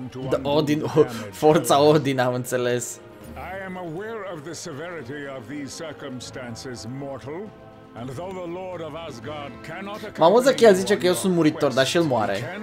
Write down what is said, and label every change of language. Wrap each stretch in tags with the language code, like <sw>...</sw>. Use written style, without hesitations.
<ro>Da, Odin, forța Odin, am înțeles.</ro> <en>I am aware of the severity of these circumstances, mortal. And though the Lord of Asgard cannot accompany you on your quest,</en> <ro>Mamuza chiar zice că eu sunt muritor, dar și el moare.</ro>